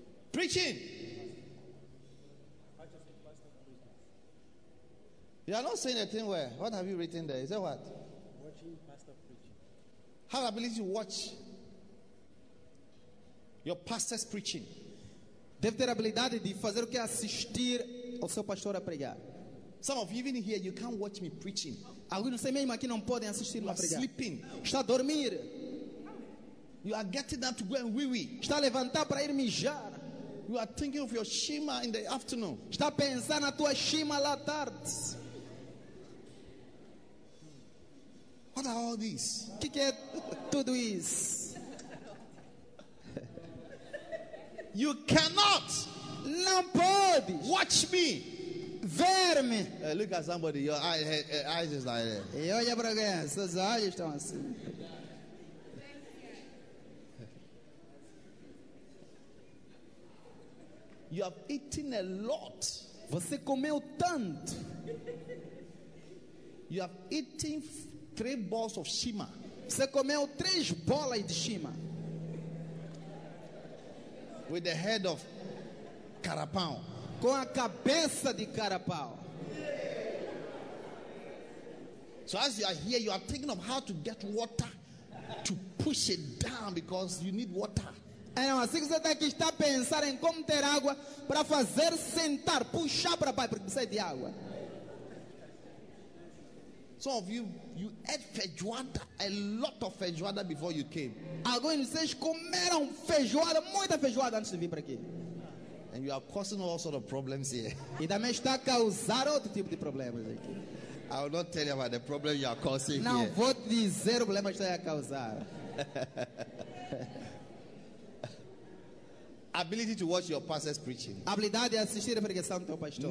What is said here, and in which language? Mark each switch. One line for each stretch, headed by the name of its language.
English: Preaching. You are not saying a thing where. What have you written there? Is that what? Watching pastor preaching. Have the ability to watch your pastor's preaching.
Portuguese: Deve ter a habilidade de fazer o que assistir ao seu pastor a pregar.
English: Some of you even here, you can't watch me preaching.
Portuguese: Alguns não sei mesmo aqui não podem assistir a pregar.
English: Sleeping.
Portuguese: Está a dormir.
English: You are getting up to go and wee wee.
Portuguese: Está a levantar para ir mijar.
English: You are thinking of your shima in the afternoon.
Portuguese: Está a pensar na tua shima lá tarde.
English: What are all these?
Portuguese: Que é tudo isso?
English: You cannot.
Portuguese: Não pode.
English: Watch me.
Portuguese: Ver me.
English: Look at somebody. Your eyes is like that.
Portuguese: Olha para alguém. Seus olhos estão assim.
English: You have eaten a lot.
Portuguese: Você comeu tanto.
English: You have eaten three balls of shima.
Portuguese: Você comeu três bolas de shima.
English: With the head of carapau.
Portuguese: Com a cabeça de carapau.
English: So as you are here, you are thinking of how to get water to push it down because you need water.
Portuguese: Então, assim que você está aqui, está a pensar em como ter água para fazer sentar, puxar para baixo, porque precisa de água.
English: Some of you, you ate feijoada, a lot of feijoada before you came.
Portuguese: Alguns de vocês comeram feijoada, muita feijoada antes de vir para aqui.
English: And you are causing all sort of problems here.
Portuguese: E também está a causar outro tipo de problemas aqui.
English: I will not tell you about the problem you are causing.
Portuguese: Não
English: here.
Portuguese: Vou dizer o problema que está a causar.
English: Ability to watch your pastor's preaching.
Portuguese: Habilidade de assistir a pregação do teu pastor.